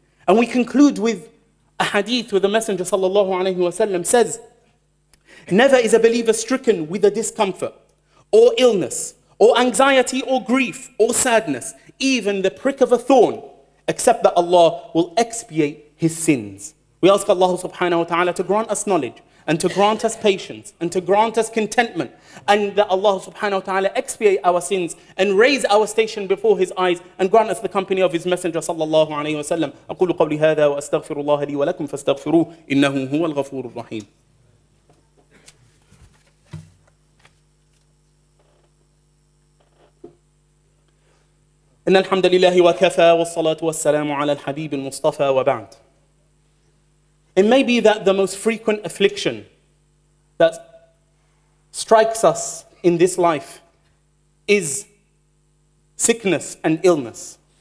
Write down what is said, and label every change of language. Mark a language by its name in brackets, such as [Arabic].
[English] And we conclude with a hadith where the Messenger sallallahu alayhi wa sallam says, never is a believer stricken with a discomfort or illness or anxiety or grief or sadness, even the prick of a thorn, except that Allah will expiate his sins. We ask Allah subhanahu wa ta'ala to grant us knowledge and to grant us patience and to grant us contentment, and that Allah subhanahu wa ta'ala expiate our sins and raise our station before his eyes and grant us the company of his Messenger sallallahu alayhi wa sallam. [Arabic] أقول قولي هذا وأستغفر الله لي ولكم فاستغفروه إنه هو الغفور الرحيم. إن الحمد لله وكفى والصلاة والسلام على الحبيب المصطفى وبعد. [English] It may be that the most frequent affliction that strikes us in this life is sickness and illness.